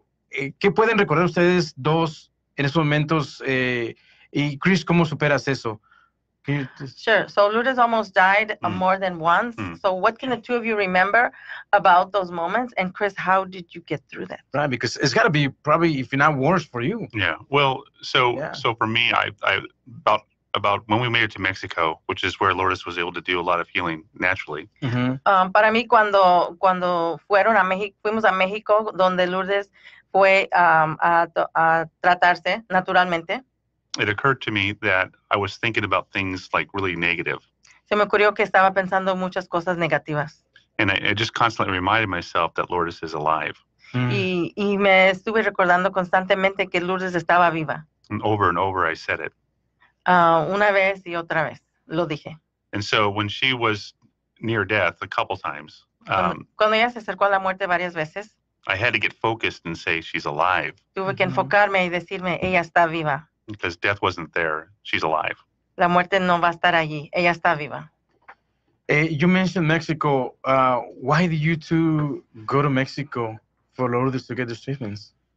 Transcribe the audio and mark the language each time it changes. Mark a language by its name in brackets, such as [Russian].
[Spanish] ¿Qué pueden recordar ustedes dos en esos momentos, y Chris, ¿cómo superas eso? [English] Sure. So Lourdes almost died more than once. Mm. So what can the two of you remember about those moments? And Chris, how did you get through that? Right, because it's got to be probably, if not worse, for you. Yeah. Well, so for me, I about when we made it to Mexico, which is where Lourdes was able to do a lot of healing naturally. Mm-hmm. [Spanish] Para mí, cuando fueron a México, fuimos a México, donde Lourdes... fue a tratarse naturalmente. [English] It occurred to me that I was thinking about things like really negative. [Spanish] Se me ocurrió que estaba pensando muchas cosas negativas. [English] And I just constantly reminded myself that Lourdes is alive. Mm. [Spanish] Y me estuve recordando constantemente que Lourdes estaba viva. [English] And over I said it. [Spanish] Una vez y otra vez lo dije. [English] And so when she was near death a couple times. [Spanish] Cuando ella se acercó a la muerte varias veces. [English] I had to get focused and say, she's alive. [Spanish] Tuve que enfocarme y decirme, ella está viva. [English] Because death wasn't there, she's alive. [Spanish] La muerte no va a estar allí, ella está viva. [English] You mentioned Mexico. Why did you two go to Mexico for Lourdes to get the treatments?